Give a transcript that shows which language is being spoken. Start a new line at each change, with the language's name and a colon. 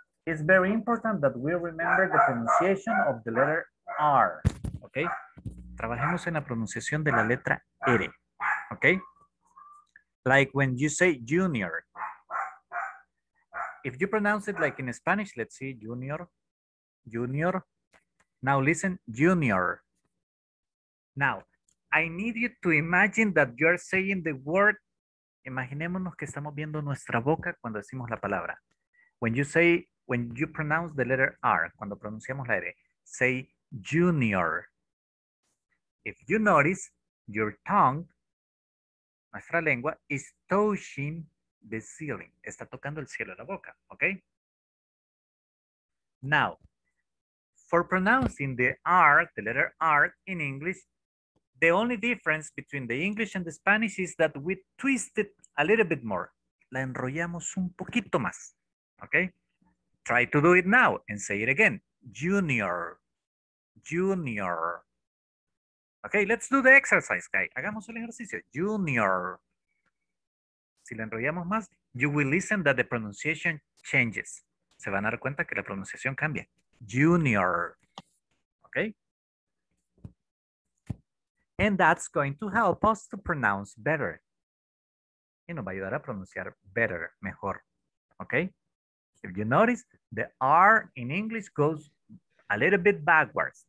English: it's very important that we remember the pronunciation of the letter R. Okay?
Spanish: Trabajemos en la pronunciación de la letra R.
English: Okay? Like when you say junior. If you pronounce it like in Spanish, let's see, junior, junior. Now listen, junior. Now, I need you to imagine that you are saying the word.
Spanish: Imaginémonos que estamos viendo nuestra boca cuando decimos la palabra.
English: When you say, when you pronounce the letter R,
Spanish: cuando pronunciamos la R,
English: say junior. If you notice, your tongue,
Spanish: nuestra lengua,
English: is touching the ceiling.
Spanish: Está tocando el cielo de la boca, okay?
English: Now, for pronouncing the R, the letter R in English, the only difference between the English and the Spanish is that we twist it a little bit more.
Spanish: La enrollamos un poquito más.
English: Okay? Try to do it now and say it again. Junior. Junior. Okay, let's do the exercise, guy.
Spanish: Hagamos el ejercicio.
English: Junior.
Spanish: Si la enrollamos más,
English: you will listen that the pronunciation changes.
Spanish: Se van a dar cuenta que la pronunciación cambia.
English: Junior. Okay? And that's going to help us to pronounce better.
Spanish: Y nos va a ayudar a pronunciar
English: better,
Spanish: mejor.
English: Okay? If you notice, the R in English goes a little bit backwards.